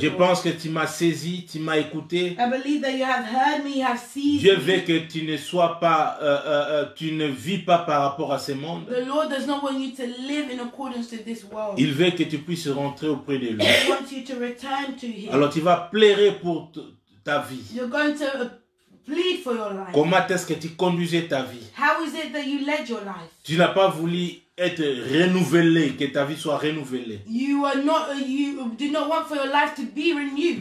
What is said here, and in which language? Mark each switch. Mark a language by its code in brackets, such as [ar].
[fr] Je pense que tu m'as saisi, tu m'as écouté. [en] I believe that you have heard me, you have seen. [fr] Dieu veut que tu ne sois pas, tu ne vis pas par rapport à ce monde. [en] The Lord does not want you to live in accordance to this world. [fr] Il veut que tu puisses rentrer auprès de lui. [en] He wants you to return to him. [fr] Alors tu vas pleurer pour ta vie. [en] You're going to plead for your life. [fr] Comment est-ce que tu conduisais ta vie? [en] How is it that you led your life? [fr] Tu n'as pas voulu être renouvelé, que ta vie soit renouvelée. [en] You are not, you do not want for your life to be renewed.